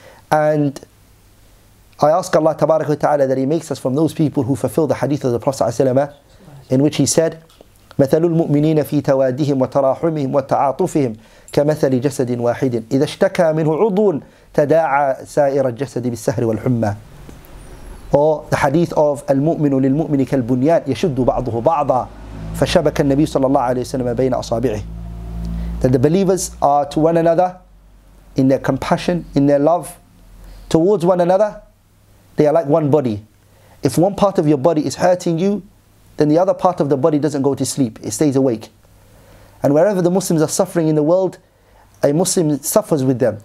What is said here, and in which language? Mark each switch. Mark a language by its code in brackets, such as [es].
[en] And I ask Allah tabarak wa ta'ala that He makes us from those people who fulfill the hadith of the Prophet in which he said, [ar] مَثَلُ الْمُؤْمِنِينَ فِي تَوَادِهِمْ وَتَرَاحُمِهِمْ وَتَعَاطُفِهِمْ كَمَثَلِ جَسَدٍ وَاحِدٍ إِذَا اشْتَكَى مِنْهُ عُضُونَ تَدَاعَى سَائِرَ الْجَسَدِ بِالسَّهْرِ وَالْحُمَّى. [en] Or the hadith of [ar] الْمُؤْمِنُ لِلْمُؤْمِنِ كَالْبُنْيَانِ يَشُدُّ بَعْضُهُ بَعْضًا فَشَبَكَ النَّبِيُّ صَلَى اللَّهُ عَلَيْهِ وَسَلَّمَ بَيْنَ أَصَابِعِهِ. [en] That the believers are to one another in their compassion, in their love towards one another, they are like one body. If one part of your body is hurting you, then the other part of the body doesn't go to sleep, it stays awake. And wherever the Muslims are suffering in the world, a Muslim suffers with them.